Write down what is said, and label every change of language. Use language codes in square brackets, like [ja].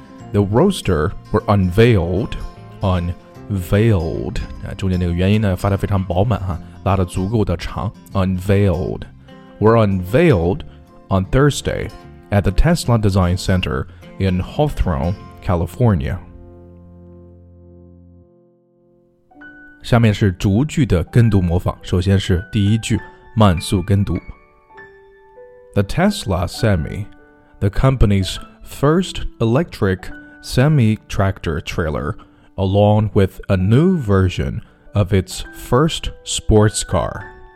[en] the Roadster were unveiled、 [zh] 中间那个元音呢发得非常饱满、拉得足够的长 [en] unveiled were unveiled on Thursday at the Tesla Design Center in HawthorneCalifornia. [zh] 下面是逐句的跟读模仿。首先是第一句，慢速跟读。 [en] The Tesla Semi, the company's first electric semi-tractor trailer, along with a new version of its first sports car.